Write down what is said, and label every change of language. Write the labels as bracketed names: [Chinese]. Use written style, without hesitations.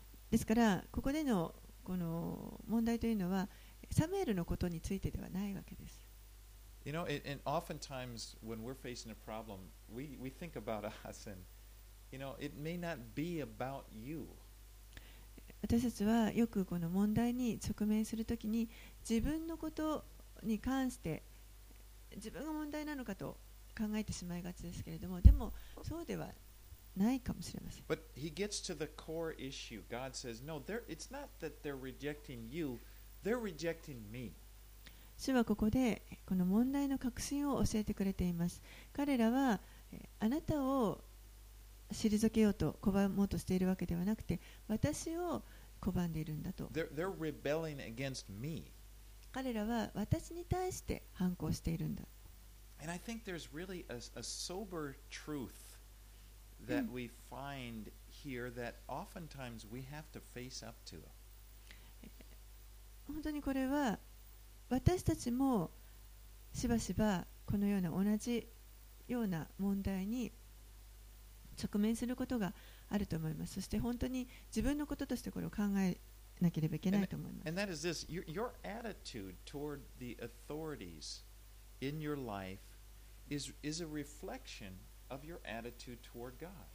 [Japanese] ですから、ここでのこの問題というのは、サムエルのことについてではないわけです。 [English] You know, and oftentimes when we're facing a problem, we think about us and, you know, it may not be about you. [Japanese] 私たちはよくこの問題に直面するときに、自分のことに関して自分が問題なのかと考えてしまいがちですけれども、でもそうではないかもしれません。 [English] But he gets to the core issue. God says, no, it's not that they're rejecting you, they're rejecting me. [Japanese] 主はここでこの問題の核心を教えてくれています。彼らはあなたを退けようと拒もうとしているわけではなくて、私を拒んでいるんだと。 [English] they're rebelling against me. [Japanese] 彼らは私に対して反抗しているんだ。 [English] And I think there's really a sober truth that we find here that oftentimes we have to face up to. [Japanese] 本当にこれは私たちもしばしばこのような同じような問題に直面することがあると思います。そして本当に自分のこととしてこれを考えなければいけないと思います。 [English] And that is this, your attitude toward the authorities in your life is a reflection of your attitude toward God.